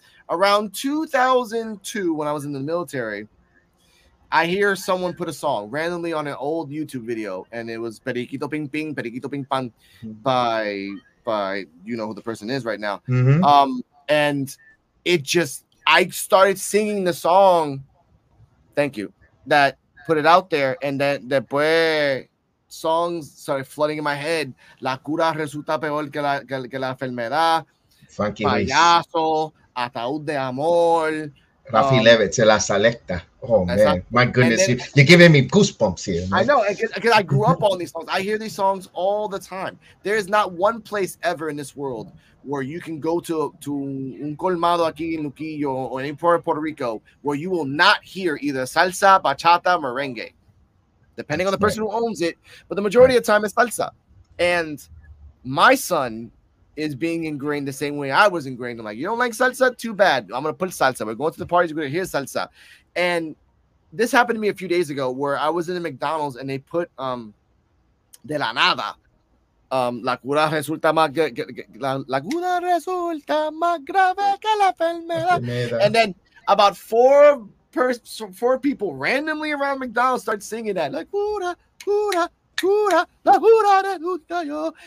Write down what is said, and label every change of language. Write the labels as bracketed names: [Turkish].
[English] Around 2002, when I was in the military, I hear someone put a song randomly on an old YouTube video, and it was Periquito Ping Ping, Periquito Ping Pong by you know who the person is right now. Mm-hmm. And it just, I started singing the song, thank you, that put it out there, and that después songs started flooding in my head. [Spanish] La cura resulta peor que la enfermedad. [English] Funky [Spanish] payaso, ataúd de amor. [English] Rafi Levitt, se la selecta. Oh, man. My goodness. Then, you're giving me goosebumps here. Man. I know. Because I grew up on these songs. I hear these songs all the time. There is not one place ever in this world where you can go to [Spanish] un colmado aquí en Luquillo [English] or any part of Puerto Rico where you will not hear either salsa, bachata, merengue, depending on the person right. who owns it. But the majority right. of the time, it's salsa. And my son is being ingrained the same way I was ingrained. I'm like, you don't like salsa? Too bad. I'm going to put salsa. We're going to the parties. We're going to hear salsa. And this happened to me a few days ago where I was in a McDonald's and they put De La Nada. [Spanish] La cura resulta más grave que la enfermedad. [English] And then about four people randomly around McDonald's start singing that. [Spanish] La cura, cura, cura, la cura resulta yo.